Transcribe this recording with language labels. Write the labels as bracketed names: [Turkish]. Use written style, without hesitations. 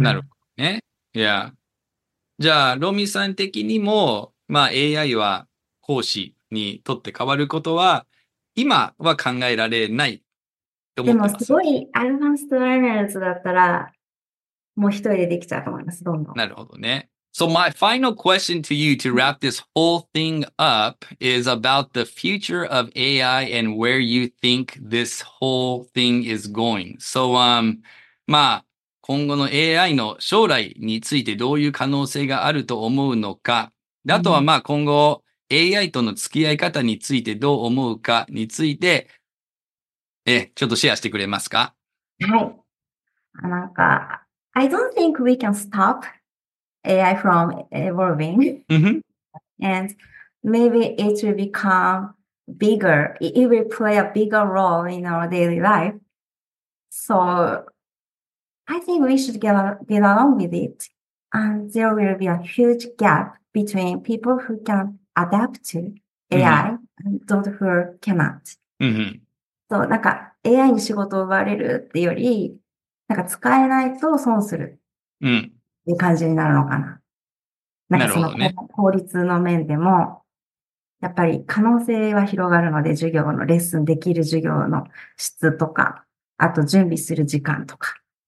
[Japanese] なるほどね。いや。じゃあ、ロミさん的にも、まあ AI は講師にとって変わることは、今は考えられないと思ってます。でも、すごいアドバンストレーナーズだったら、もう一人でできちゃうと思います、どんどん。なるほどね。 [English] So my final question to you to wrap this whole thing up is about the future of AI and where you think this whole thing is going. [Japanese] So, まあ、今後の AI の将来についてどういう可能性があると思うのか。あとはまあ今後 AI との付き合い方についてどう思うかについて、ちょっとシェアしてくれますか？はい。 [English] なんか、I don't think we can stop AI from evolving. And maybe it will become bigger. It will play a bigger role in our daily life. So I think we should get along with it. And there will be a huge gap between people who can adapt to AI and those who cannot. [Japanese] So, なんか AI に仕事を奪われるっていうより、なんか使えないと損する。っていう感じになるのかな。なんかその効率の面でも、やっぱり可能性は広がるので、授業のレッスンできる授業の質とか、あと準備する時間とか。